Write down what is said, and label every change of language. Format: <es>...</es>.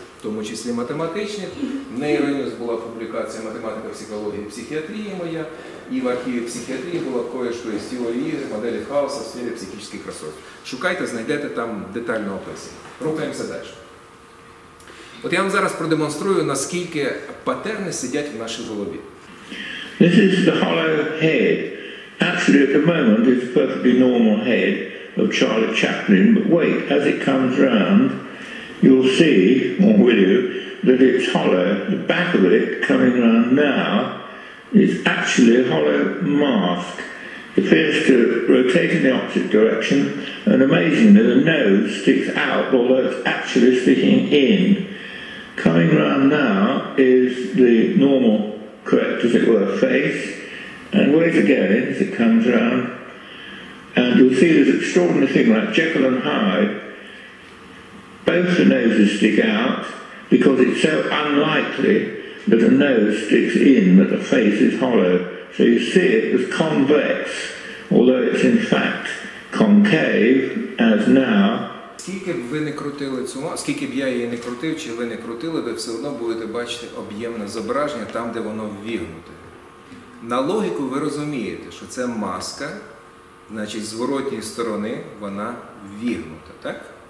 <uk>тому числі математичних. В неї винесена була публікація «Математика, психологія, психіатрія моя», і в архіві психіатрії була кое-что із теорії, моделі хаоса в сфері психічних розрив. Шукайте, знайдете там детальну описання. Рухаємося далі. От я вам зараз продемонструю, наскільки патерни сидять в нашій голові.</uk> <en>This is the hollow head. Actually, at the moment, it's a perfectly normal head of Charlie Chaplin, but wait, as it comes round, you'll see, or will you, that it's hollow. The back of it, coming round now, is actually a hollow mask. It appears to rotate in the opposite direction, and amazingly, the nose sticks out, although it's actually sticking in. Coming round now is the normal, correct, as it were, face. And wait again as it comes round. And you'll see this extraordinary thing like Jekyll and Hyde. Both the noses stick out because it's so unlikely that a nose sticks in that the face is hollow. So you see it as convex, although it's in fact concave, as now.</en> <uk>Скільки б ви не крутили цю маску, скільки б я її не крутив, чи ви не крутили, ви все одно будете бачити об'ємне зображення там, де воно ввігнуте. На логіку ви розумієте, що це маска, значить, з зворотньої сторони вона ввігнута, так?</uk>